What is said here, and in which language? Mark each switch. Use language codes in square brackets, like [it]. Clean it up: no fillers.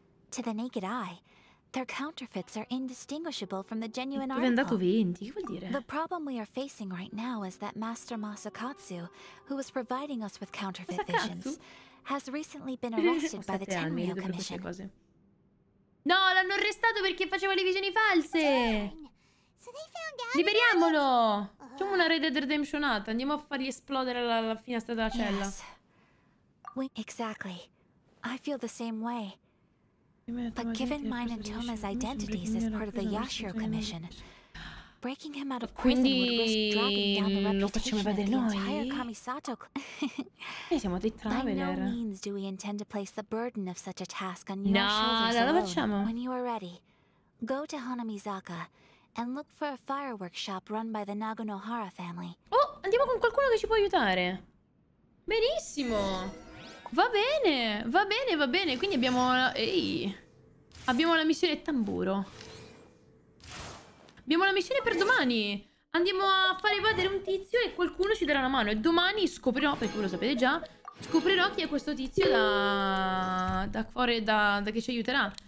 [en] To the naked eye, their counterfeits are indistinguishable from the genuine article. [it] È andato 20, che vuol dire? [en] The problem we are facing right now is that Master Masakatsu, who was providing us with counterfeit visions, has recently been arrested by the Tenryou Commission. [it] No, l'hanno arrestato perché faceva le visioni false! Liberiamolo! Facciamo una Red Dead Redemption out. Andiamo a fargli esplodere la finestra della cella. [en] Exactly. I feel the same way. But given mine and Toma's identities as part of the Yashiro Commission, breaking him out of prison would risk dropping down the reputation of the entire Kamisato. [it] Noi siamo dei traveler. [en] By no means do we intend to place the burden of such a task on your shoulders alone. [it] No, la facciamo. [en] When you are ready, go to Hanamizaka and look for a fireworks shop run by the Naganohara family. [it] Oh, andiamo con qualcuno che ci può aiutare. Benissimo. Va bene, va bene, va bene. Quindi abbiamo la... Ehi. Abbiamo la missione tamburo. Abbiamo la missione per domani. Andiamo a far evadere un tizio e qualcuno ci darà una mano. E domani scoprirò, perché voi lo sapete già, scoprirò chi è questo tizio da fuori, da che ci aiuterà.